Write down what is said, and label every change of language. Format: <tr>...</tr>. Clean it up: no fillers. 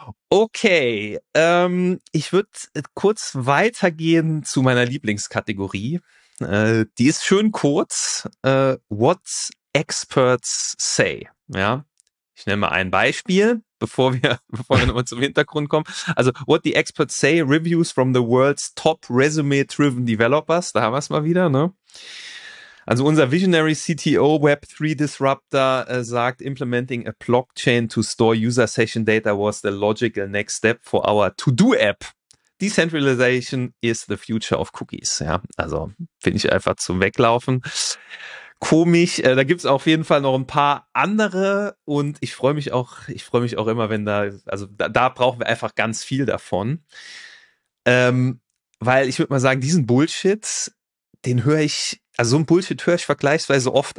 <de>Okay, ich würde kurz weitergehen zu meiner Lieblingskategorie. Die ist schön kurz.</de> <en>What experts say.</en> <de>Ja, ich nenne mal ein Beispiel, bevor wir nochmal zum Hintergrund kommen. Also</de> <en>what the experts say, reviews from the world's top resume-driven developers. Da haben wir es mal wieder, ne?</en> <de>Also unser</de> <en>Visionary CTO Web3 Disruptor</en> <de>sagt,</de> <en>implementing a blockchain to store user session data was the logical next step for our To-Do-App. Decentralization is the future of cookies.</en> <de>Ja, also finde ich einfach zum Weglaufen. Komisch, da gibt es auf jeden Fall noch ein paar andere und ich freue mich auch immer, wenn da brauchen wir einfach ganz viel davon. Weil ich würde mal sagen, diesen Bullshit, den höre ich, also so ein Bullshit höre ich vergleichsweise oft.</de>